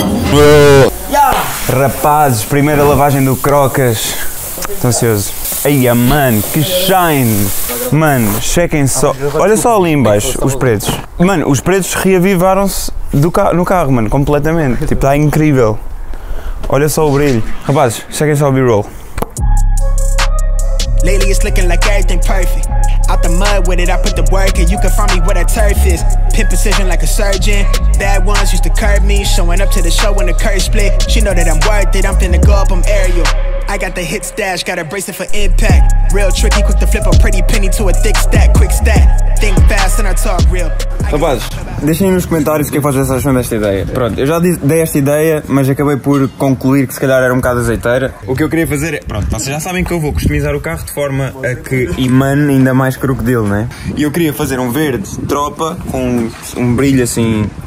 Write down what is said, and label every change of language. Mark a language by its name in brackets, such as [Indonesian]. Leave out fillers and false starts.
[Portuguese] Portanto, rapazes, primeira lavagem do Crocas. Estou ansioso. Eia, mano, que shine. Mano, chequem só. Olha só ali em baixo, os pretos. Mano, os pretos reavivaram-se no carro, mano, completamente. Tipo, está incrível. Olha só o brilho. Rapazes, chequem só o B-roll. [English] Lately it's looking like everything perfect. Out the mud with it, I put the work and you can find me where that turf is. Pin precision like a surgeon. Bad ones used to curb me. Showing up to the show when the curve split. She know that I'm worth it, I'm finna go up, I'm aerial. I got the hit stash, got a bracelet for impact. Real tricky, quick to flip a pretty penny to a thick stack. Quick stat, think fast and I talk real. [Portuguese] Rapaz, deixem aí nos comentários o que vocês acham desta ideia. Pronto, eu já dei esta ideia, mas acabei por concluir que se calhar era um bocado azeiteira. O que eu queria fazer é... Pronto, vocês já sabem que eu vou customizar o carro de forma a que emane ainda mais crocodilo, não é? E eu queria fazer um verde tropa com um brilho assim...